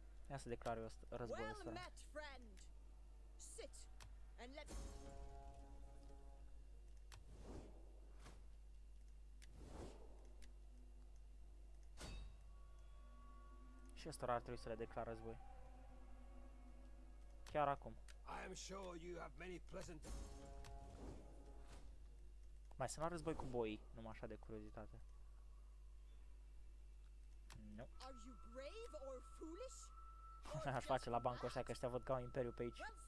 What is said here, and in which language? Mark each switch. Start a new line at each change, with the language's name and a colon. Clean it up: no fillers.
Romanian: Ia să declar eu războiul ăsta.
English: Well met, friend. Sit and let...
Romanian: Și ăsta ar trebui să le declar război. Chiar acum.
English: I am sure you have many pleasant...
Romanian: Mai să nu război cu boii, numai așa de curiozitate. Nu.
English: Are you brave or foolish?
Romanian: Aș face la bancul ăștia, că ăștia văd că au imperiu pe aici.